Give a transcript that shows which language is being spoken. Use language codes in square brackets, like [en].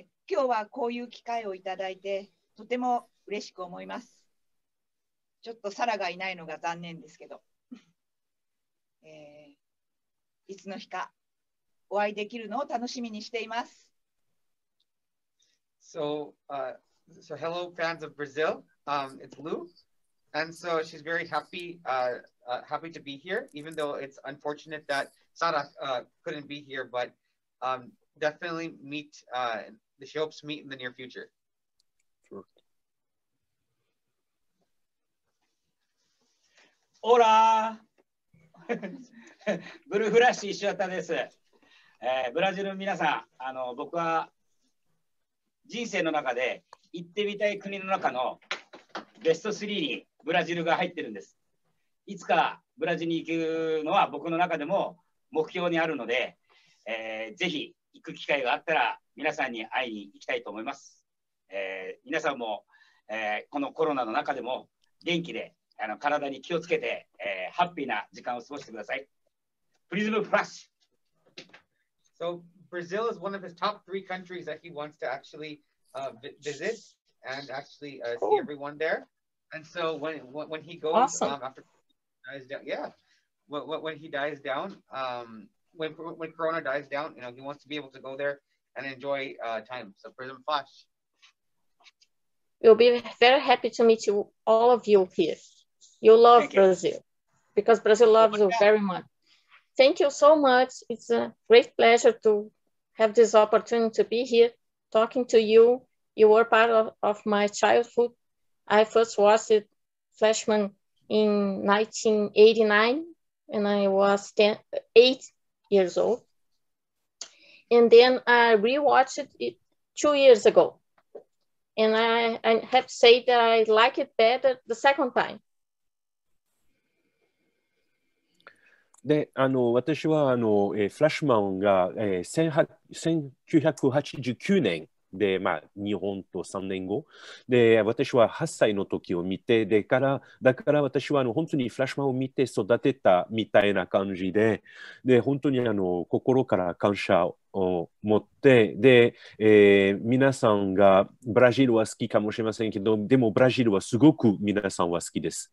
[ja] 今日はこういう機会をいただいて、とても嬉しく思います。ちょっとサラがいないのが残念ですけど。いつの日か。お会いできるのを楽しみにしています。 [en] So, so hello fans of Brazil. It's Lu, and so she's very happy, happy to be here. Even though it's unfortunate that Sara couldn't be here, but definitely meet. She hopes meet in the near future. Sure. [ja] Hola, ブルーフラッシュ Ishiwataです。ブラジルの皆さん、僕は人生の中で行ってみたい国の中のベスト3にブラジルが入ってるんです。いつかブラジルに行くのは僕の中でも目標にあるので、ぜひ行く機会があったら皆さんに会いに行きたいと思います。皆さんも、このコロナの中でも元気で体に気をつけて、ハッピーな時間を過ごしてください。プリズムフラッシュ。 [en] So Brazil is one of his top three countries that he wants to actually visit and actually see everyone there. And so when he goes, awesome. After he dies down, yeah, when he dies down, when Corona dies down, you know, he wants to be able to go there and enjoy time. So Prism Flash. We'll be very happy to meet you, all of you here. You love Thank Brazil you. Because Brazil loves oh, you yeah. very much. Thank you so much. It's a great pleasure to have this opportunity to be here talking to you. You were part of my childhood. I first watched Flashman in 1989 and I was 8 years old. And then I rewatched it 2 years ago. And I have to say that I like it better the second time. [ja] で、あの、私はあの、フラッシュマンが、1989年で、まあ、日本と3年後で、私は8歳の時を見て、でからだから私はあの本当にフラッシュマンを見て育てたみたいな感じ で本当にあの心から感謝を持ってで、皆さんがブラジルは好きかもしれませんけど、でもブラジルはすごく皆さんは好きです。